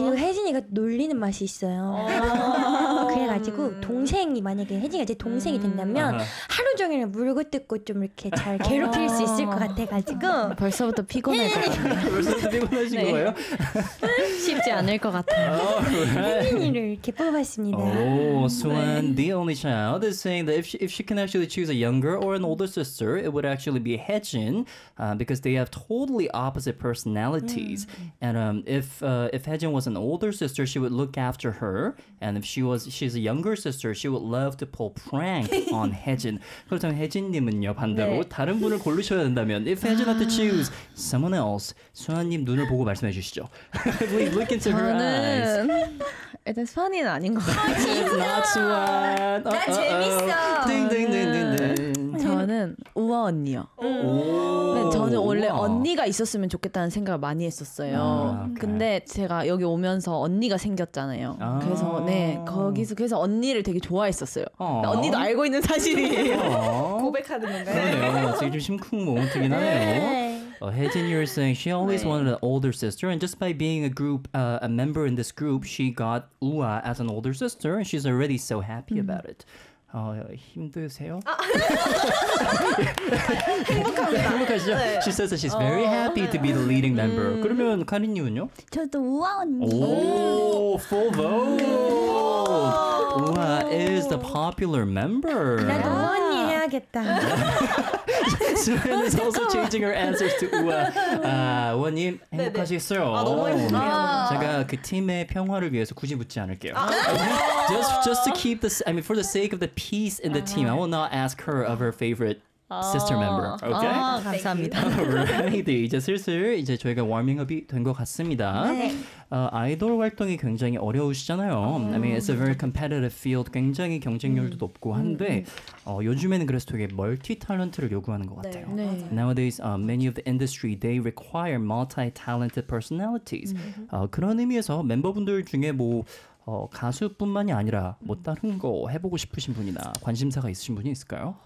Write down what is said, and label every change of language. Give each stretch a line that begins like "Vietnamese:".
Korean: 그리고 혜진이가 놀리는 맛이 있어요. 그래가지고 동생이 만약에 혜진이가 제 동생이 된다면 하루 종일 물고 뜯고 좀 이렇게 잘 괴롭힐 수 있을 것 같아가지고 벌써부터 피곤해. 벌써부터 피곤하신 네. 거예요? 쉽지 않을 것 같아요. 혜진이를 이렇게 뽑았습니다.
English: Suan, the only child, is saying that if she can actually choose a younger or an older sister, it would actually be Hyejin, because they have totally opposite personalities. And if Hyejin was an older sister, she would look after her. And if she's a younger sister, she would love to pull prank on Hyejin.
Korean: 그렇다면 혜진님은요 반대로 네. 다른 분을 고르셔야 된다면,
English: if Hyejin had to choose someone else,
Korean: 수아님 눈을 보고 말씀해 주시죠.
English: Please look into her eyes.
Korean: 일단 수환이는 아닌 것 같아요. 아 진짜? 나 재밌어. 딩딩딩딩딩. 저는 우아 언니요. 오. 저는 원래 우와. 언니가 있었으면 좋겠다는 생각을 많이 했었어요. 근데 제가 여기 오면서 언니가 생겼잖아요. 그래서 네 거기서 그래서 언니를 되게 좋아했었어요. 언니도 알고 있는 사실이에요. 고백하는 건가요? 그러네요. 되게 좀 심쿵 모음이긴 하네요.
English: 혜진, you're saying she always 네. wanted an older sister, and just by being a group, a member in this group, she got Ua as an older sister, and she's already so happy about it.
Korean: 힘드세요? 행복합니다. 행복하시죠? 네.
English: She says that she's very happy 네. to be the leading member.
Korean: 그러면 카린님은요? 저도 우아 언니.
English: 오, full vote. 우아 is the popular member.
Korean: 나도 우아 언니 해야겠다.
English: Suan is also changing her answers to Ua.
Korean: 우아님 행복하시겠어요? 아, 너무 행복해요. 제가 그 팀의 평화를 위해서 굳이 묻지 않을게요.
English: just to keep this, I mean, for the sake of the peace in the team, I will not ask her of her favorite sister member. Okay?
Korean: 아, 감사합니다. Alright, 이제 슬슬 이제 저희가 워밍업이 된 것 같습니다. 네. 아이돌 활동이 굉장히 어려우시잖아요.
English: I mean, it's a very competitive field.
Korean: 굉장히 경쟁률도 높고 한데 요즘에는 그래서 되게 멀티 탤런트를 요구하는 것 같아요. 네. 네.
English: Nowadays, many of the industry, they require multi-talented personalities.
Korean: 그런 의미에서 멤버분들 중에 뭐 가수뿐만이 아니라 뭐 다른 거 해보고 싶으신 분이나 관심사가 있으신 분이 있을까요?